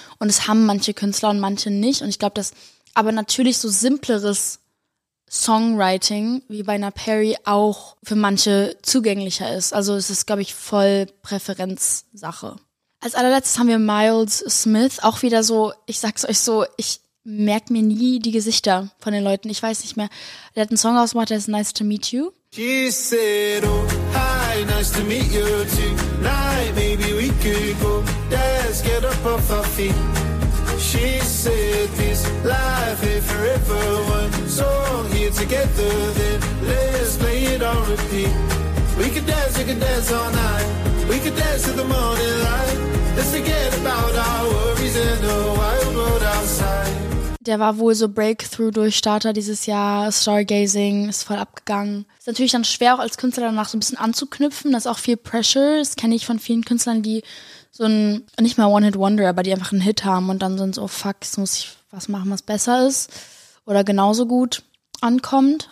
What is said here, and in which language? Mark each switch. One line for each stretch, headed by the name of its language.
German: Und es haben manche Künstler und manche nicht. Und ich glaube, dass aber natürlich so simpleres Songwriting, wie bei einer Perry, auch für manche zugänglicher ist. Also es ist, glaube ich, voll Präferenzsache. Als allerletztes haben wir Miles Smith. Auch wieder so, ich sag's euch so, ich merke mir nie die Gesichter von den Leuten. Ich weiß nicht mehr. Der hat einen Song ausgemacht, der ist Nice to Meet You.
English: He said, oh, hi, nice to meet you tonight. Maybe we could go dance, get up off our feet. She said, this life is forever. One song here together, then let's play it on repeat. We could dance all night. We could dance in the morning light. Let's forget about our worries and the wild world outside.
German: Der war wohl so Breakthrough-Durchstarter dieses Jahr, Stargazing ist voll abgegangen. Ist natürlich dann schwer, auch als Künstler danach so ein bisschen anzuknüpfen, das ist auch viel Pressure. Das kenne ich von vielen Künstlern, die so ein, nicht mal One-Hit-Wonder, aber die einfach einen Hit haben und dann sind so, fuck, jetzt muss ich was machen, was besser ist oder genauso gut ankommt.